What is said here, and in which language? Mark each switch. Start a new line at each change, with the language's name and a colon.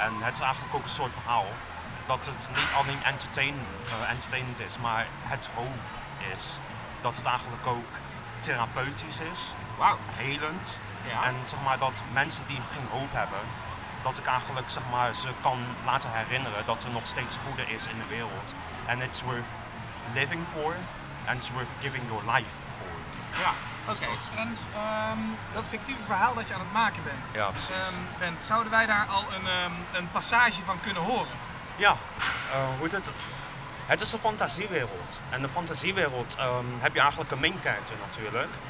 Dutch: En het is eigenlijk ook een soort verhaal dat het niet alleen entertainend is, maar het hoop is. Dat het eigenlijk ook therapeutisch is, helend. Ja. En dat mensen die geen hoop hebben, dat ik eigenlijk ze kan laten herinneren dat er nog steeds goede is in de wereld.
English: And it's worth living for, and it's worth giving your life for.
Dutch: Ja, oké. Okay. En dat fictieve verhaal dat je aan het maken bent, ja, precies. Zouden wij daar al een passage van kunnen horen? Ja, hoe heet het? Het is een fantasiewereld. En de fantasiewereld heb je eigenlijk een main character natuurlijk.